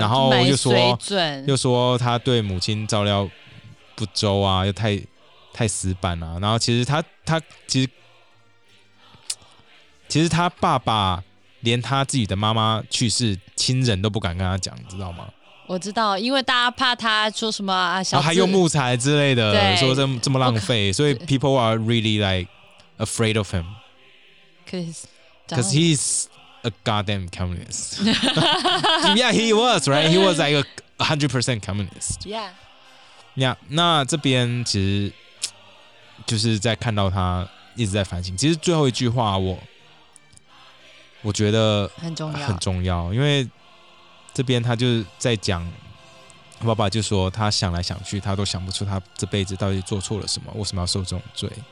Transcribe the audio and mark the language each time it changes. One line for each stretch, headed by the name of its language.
Chinese: 然后又说他对母亲照料不周啊，又太死板啊，然后其实他爸爸连他自己的妈妈去世，亲人都不敢跟他讲，知道吗？我知道，因为大家怕他说什么啊，小还用木材之类的，说这么浪费，所以
English: people are really like afraid of him. Because he's a goddamn communist. Yeah, he was, right? He was like a 100% communist. Yeah.
Chinese: Yeah, 那这边其实就是在看到他一直在反省。其实最后一句话我觉得很重要，很重要，因为这边他就在讲，爸爸就说他想来想去，他都想不出他这辈子到底做错了什么，为什么要受这种罪。